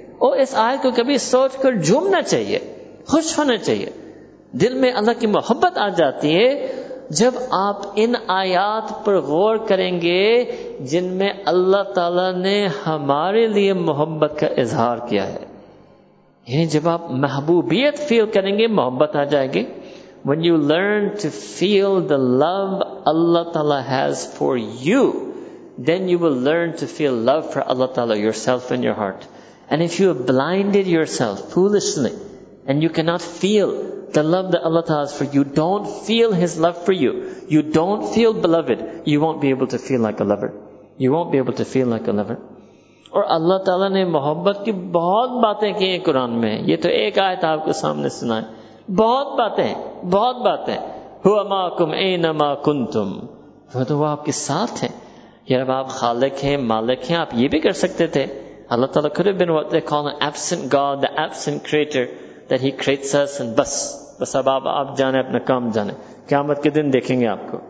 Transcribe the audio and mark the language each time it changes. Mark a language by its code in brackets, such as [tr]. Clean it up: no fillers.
[ur] او اس آیت کو کبھی سوچ کر جھومنا چاہیے, خوش ہونا چاہیے, دل میں اللہ کی محبت آ جاتی ہے جب آپ ان آیات پر غور کریں گے جن میں اللہ تعالیٰ نے ہمارے لیے محبت کا اظہار کیا ہے. یعنی جب آپ محبوبیت فیل کریں گے محبت آ جائے گی. [en] When you learn to feel the love Allah Ta'ala has for you, then you will learn to feel love for Allah Ta'ala yourself in your heart. And if you have blinded yourself foolishly and you cannot feel the love that Allah has for you, don't feel His love for you, you don't feel beloved, you won't be able to feel like a lover. You won't be able to feel like a lover. [ur] اور اللہ تعالیٰ نے محبت کی بہت باتیں کی ہیں قرآن میں, یہ تو ایک آیت آپ کے سامنے سنائے, بہت باتیں, بہت باتیں. [ar] ہُوَ مَعَكُمْ أَيْنَمَا كُنْتُمْ, [ur] وہ تو وہ آپ کے ساتھ ہیں. یہ رب آپ خالق ہیں, مالک ہیں, آپ یہ بھی کر سکتے تھے. اللہ تعالیٰ [en] could have been what they call an absent God, the absent creator, that He creates us and [ur] بس بس اب آپ جانے اپنا کام جانے, قیامت کے دن دیکھیں گے آپ کو.